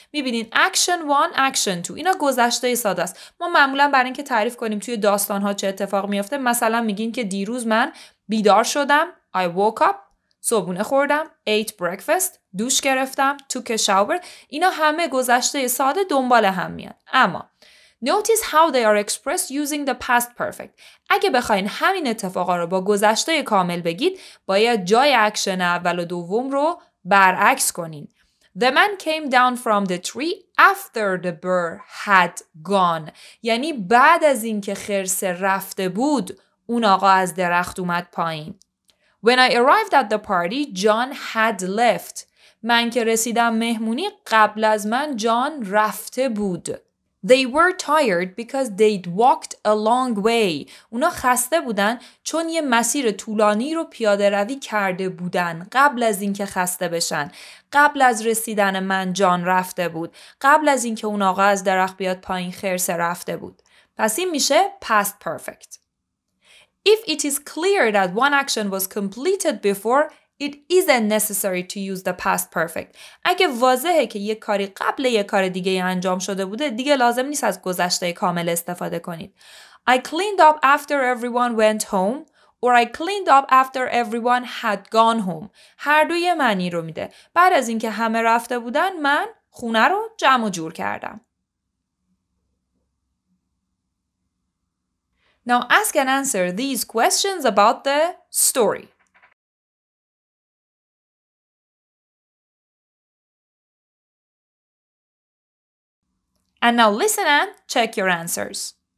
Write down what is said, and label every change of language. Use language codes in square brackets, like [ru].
[fa] میبینین [en] action one, action two. [fa] اینا گذشته ساده است. ما معمولا برای اینکه تعریف کنیم توی داستان ها چه اتفاق میفته مثلا میگین که دیروز من بیدار شدم. [en] I woke up. [fa] صبحونه خوردم. [en] Ate breakfast. [fa] دوش گرفتم. [en] Took a shower. [fa] اینا همه گذشته ساده دنبال هم میان. اما [en] Notice how they are expressed using the past perfect. [fa] اگه بخواین همین اتفاقا رو با گذشته کامل بگید، باید جای اکشن اول و دوم رو برعکس کنین. [en] The man came down from the tree after the bear had gone. [fa] یعنی بعد از اینکه خرس رفته بود، اون آقا از درخت اومد پایین. [en] When I arrived at the party, John had left. [fa] من که رسیدم مهمونی، قبل از من جان رفته بود. [en] They were tired because they'd walked a long way. [fa] اونا خسته بودن چون یه مسیر طولانی رو پیاده روی کرده بودن قبل از اینکه خسته بشن. قبل از رسیدن من جان رفته بود. قبل از اینکه اون آقا از درخت بیاد پایین خرس رفته بود. پس این میشه past perfect. [en] If it is clear that one action was completed before, it isn't necessary to use the past perfect. [fa] اگه واضحه که یک کاری قبل یک کار دیگه انجام شده بوده دیگه لازم نیست از گذشته کامل استفاده کنید. [en] I cleaned up after everyone went home or I cleaned up after everyone had gone home. [fa] هر دوی معنی رو میده. بعد از اینکه همه رفته بودن من خونه رو جمع و جور کردم. [en] Now ask and answer these questions about the story. And now listen and check your answers.